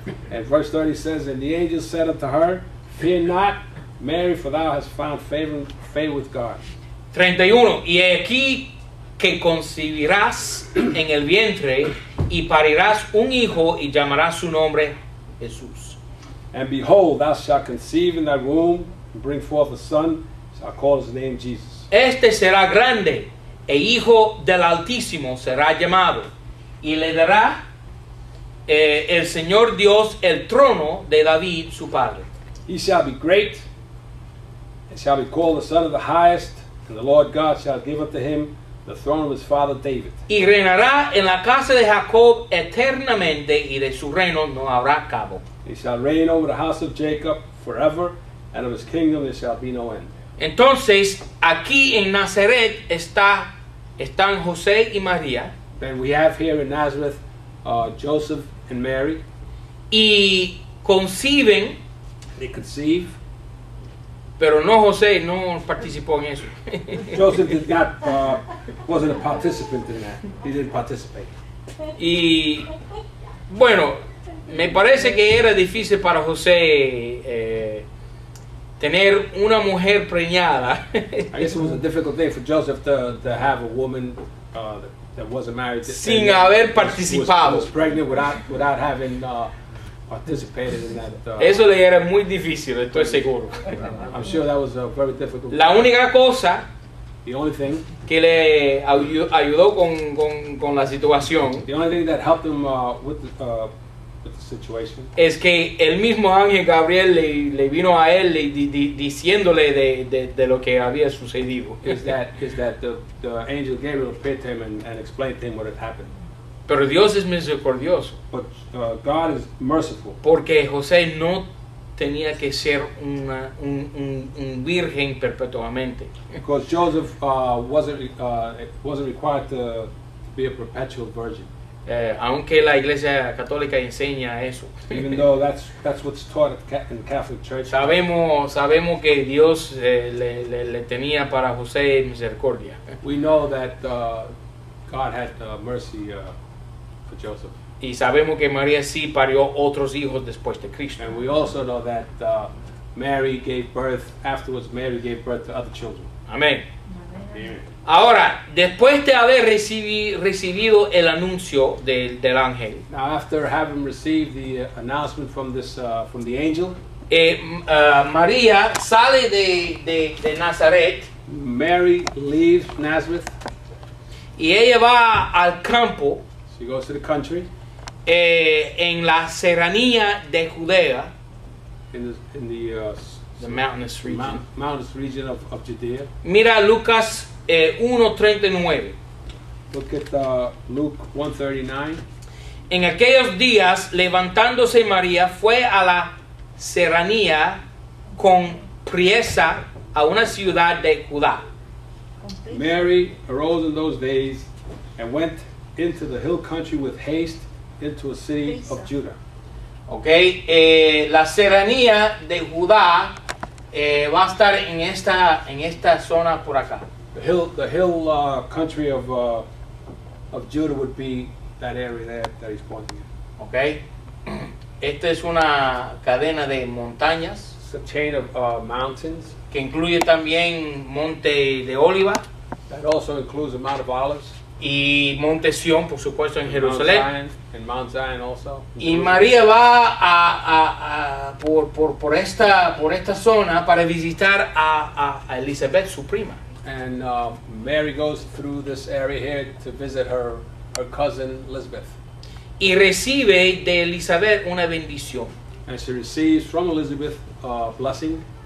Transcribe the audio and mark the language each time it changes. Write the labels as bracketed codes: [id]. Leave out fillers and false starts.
[en] And verse 30 says, and the angel said unto her, fear not, Mary, for thou hast found favor with God. 31. [es] Y he aquí que concebirás en el vientre y parirás un hijo y llamarás su nombre Jesús. [en] And behold, thou shalt conceive in thy womb and bring forth a son, shalt call his name Jesus. [es] Este será grande, e hijo del Altísimo será llamado, y le dará el Señor Dios el trono de David, su padre. [en] He shall be great, and shall be called the Son of the Highest, and the Lord God shall give unto him the throne of his father David. [es] Y reinará en la casa de Jacob eternamente, y de su reino no habrá cabo. [en] He shall reign over the house of Jacob forever, and of his kingdom there shall be no end. [es] Entonces, aquí en Nazaret están José y María. [en] Then we have here in Nazareth Joseph and Mary. [es] Y conciben. [en] They conceive. [es] Pero no José, no participó en eso. [en] Joseph wasn't a participant in that. He didn't participate. [es] Y bueno, me parece que era difícil para José tener una mujer preñada. [en] I guess it was a difficult thing for Joseph to have a woman that wasn't married. [es] Sin haber participado. [en] Was pregnant without having participated in that. [es] Eso le era muy difícil, estoy seguro. [en] I'm sure that was a very difficult. [es] La única cosa. [en] The only thing. [es] Que le ayudó con la situación. [en] The only thing that helped him with the situation. [es] Es que el mismo ángel Gabriel le vino a él diciéndole de lo que había sucedido. [en] Is that the angel Gabriel appeared to him and explained to him what had happened. [es] Pero Dios es misericordioso. [en] But God is merciful. [es] Porque José no tenía que ser un virgen perpetuamente. [en] Because Joseph wasn't required to be a perpetual virgin. [es] Aunque la iglesia católica enseña eso. [en] Even though that's what's taught in the Catholic Church. [es] Sabemos que Dios le tenía para José misericordia. [en] We know that God had mercy for Joseph. [es] Y sabemos que María sí parió otros hijos después de Cristo. [en] And we also know that Mary gave birth, afterwards Mary gave birth to other children. [es] Amén. Ahora, después de haber recibido el anuncio del ángel. [en] Now, after having received the announcement from the angel. [es] María sale de Nazaret. [en] Mary leaves Nazareth. [es] Y ella va al campo. [en] She goes to the country. [es] En la serranía de Judea. [en] In the mountainous region. Mountainous region of Judea. [es] Mira Lucas 1:39. [en] Look at Luke 1:39. [es] En aquellos días, levantándose María, fue a la serranía con priesa a una ciudad de Judá. [en] Mary arose in those days and went into the hill country with haste into a city of Judah. [es] Okay, la serranía de Judá va a estar en esta zona por acá. [en] The hill country of Judah would be that area there that he's pointing at. Okay. [es] Esta es una cadena de montañas. [en] It's a chain of mountains. [es] Que incluye también Monte de Oliva. [en] That also includes the Mount of Olives. [es] y Monte Sion, por supuesto, en Jerusalén. [en] And Mount Zion also. [es] Y María va por esta zona para visitar a Elizabeth, su prima. [en] And Mary goes through this area here to visit her cousin Elizabeth. [es] Y recibe de Elizabeth una bendición. [en] And she receives from Elizabeth a blessing.